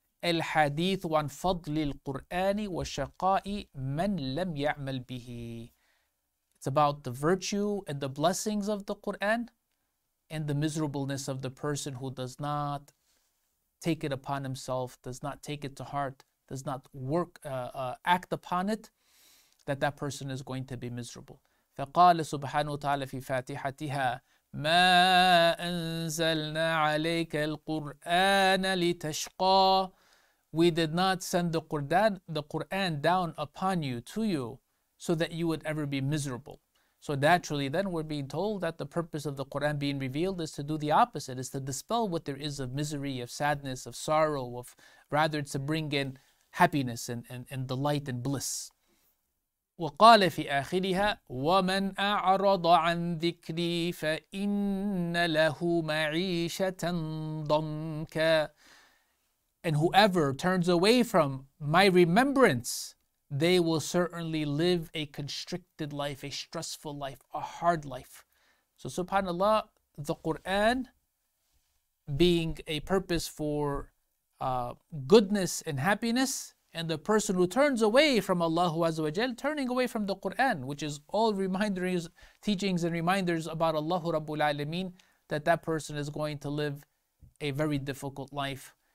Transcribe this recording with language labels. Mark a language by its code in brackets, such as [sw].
[ar] الحديث عن فضل القرآن وشقاء من لم يعمل به. [en] It's about the virtue and the blessings of the Quran and the miserableness of the person who does not take it upon himself, does not take it to heart, does not work, act upon it, that person is going to be miserable. [ar] فقال سبحانه وتعالى في فاتحتها ما أنزلنا عليك القرآن لتشقى. [en] We did not send the Quran down upon you, to you, so that you would ever be miserable. So naturally then we're being told that the purpose of the Quran being revealed is to do the opposite, is to dispel what there is of misery, of sadness, of sorrow, of rather to bring in happiness and delight and bliss. [ar] وقال في آخرها ومن أعرض عن ذكري فإن له معيشة ضنكا. [en] And whoever turns away from my remembrance, they will certainly live a constricted life, a stressful life, a hard life. So subhanAllah, the Qur'an being a purpose for goodness and happiness, and the person who turns away from Allahu Azza wa Jal, turning away from the Qur'an, which is all reminders, teachings and reminders about Allahu Rabbul Alameen, that person is going to live a very difficult life.